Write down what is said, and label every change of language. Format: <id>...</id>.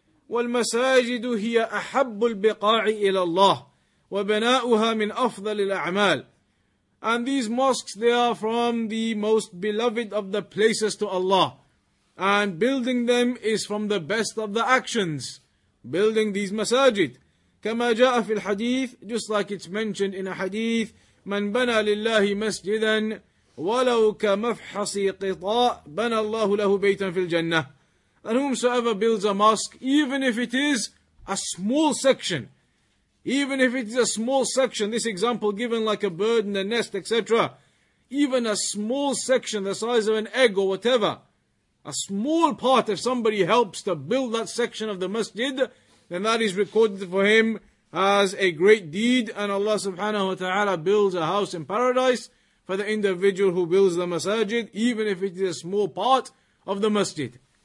<ar>وَالْمَسَاجِدُ هِيَ أَحَبُّ الْبِقَاعِ إِلَى اللَّهِ وَبَنَاؤُهَا مِنْ أَفْضَلِ الْأَعْمَالِ.</ar> <en>And these mosques, they are from the most beloved of the places to Allah. And building them is from the best of the actions. Building these masajid.</en> <ar>كما جاء في الحديث,</ar> <en>just like it's mentioned in a hadith,</en> <ar>من بنى لله مسجدا ولو كمفحص قطاع بنى الله له بيتا في الجنة.</ar> <en>And whomsoever builds a mosque, even if it is a small section, even if it is a small section, this example given like a bird in a nest, etc., even a small section the size of an egg or whatever, a small part, if somebody helps to build that section of the masjid, then that is recorded for him as a great deed, and Allah subhanahu wa ta'ala builds a house in paradise for the individual who builds the masajid, even if it is a small part of the masjid.</en>